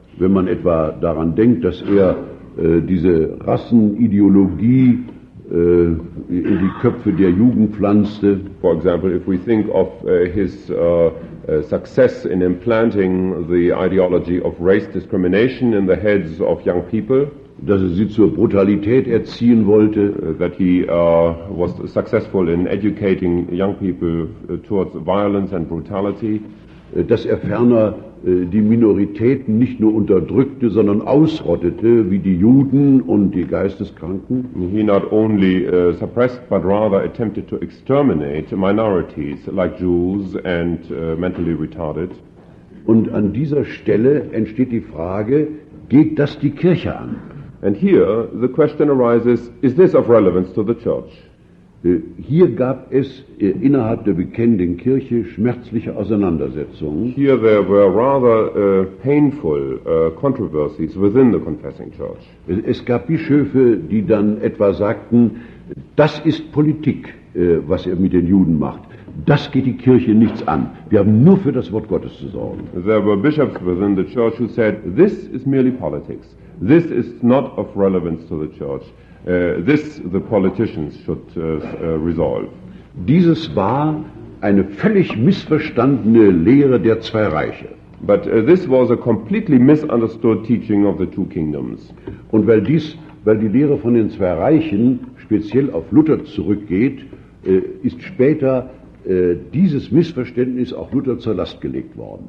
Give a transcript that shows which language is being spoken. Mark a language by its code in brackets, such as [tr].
[de] Wenn man etwa daran denkt, dass er diese Rassenideologie in die Köpfe der Jugend pflanzte. [en] For example, if we think of his success in implanting the ideology of race discrimination in the heads of young people, [de] dass er sie zur Brutalität erziehen wollte, [en] that he was successful in educating young people towards violence and brutality, [de] dass er ferner die Minoritäten nicht nur unterdrückte, sondern ausrottete, wie die Juden und die Geisteskranken. [en] He not only suppressed, but rather attempted to exterminate minorities like Jews and mentally retarded. [de] Und an dieser Stelle entsteht die Frage, geht das die Kirche an? [en] And here the question arises, is this of relevance to the church? [de] Hier gab es innerhalb der bekennenden Kirche schmerzliche Auseinandersetzungen. [en] Here there were rather painful controversies within the confessing church. [de] Es gab Bischöfe, die dann etwa sagten, das ist Politik, was er mit den Juden macht. Das geht die Kirche nichts an. Wir haben nur für das Wort Gottes zu sorgen. [en] There were bishops within the church who said, this is merely politics. This is not of relevance to the church. This the politicians should resolve. [de] Dieses war eine völlig missverstandene Lehre der zwei Reiche. [en] But this was a completely misunderstood teaching of the two kingdoms. [de] Und weil die Lehre von den zwei Reichen speziell auf Luther zurückgeht, ist später dieses Missverständnis auch Luther zur Last gelegt worden.